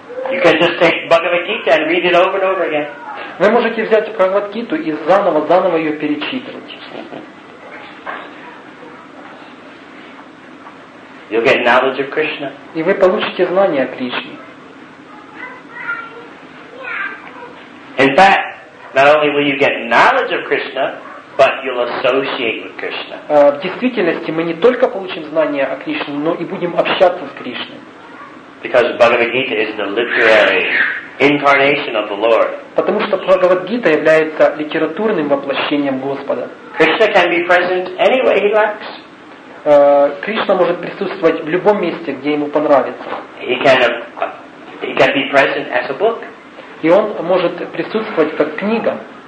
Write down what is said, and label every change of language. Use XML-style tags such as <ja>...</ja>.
<en>You can just take Bhagavad Gita and read it over and over again.</en> <ru>Вы можете взять Бхагавад-гиту и заново-заново ее перечитывать.</ru> <en>You'll get knowledge of Krishna.</en> <ru>И вы получите знание о Кришне.</ru> <en>In fact, not only will you get knowledge of Krishna, but you'll associate with Krishna.</en> <ru>В действительности мы не только получим знание о Кришне, но и будем общаться с Кришной.</ru> <en>Because Bhagavad-gita is the literary incarnation of the Lord.</en> <ru>Потому что Бхагавад-гита является литературным воплощением Господа.</ru> <en>Krishna can be present anywhere he likes.</en> <ru>Кришна может присутствовать в любом месте, где ему понравится.</ru> <en>He can be present as a book.</en> <ru>И он может присутствовать как книга.</ru>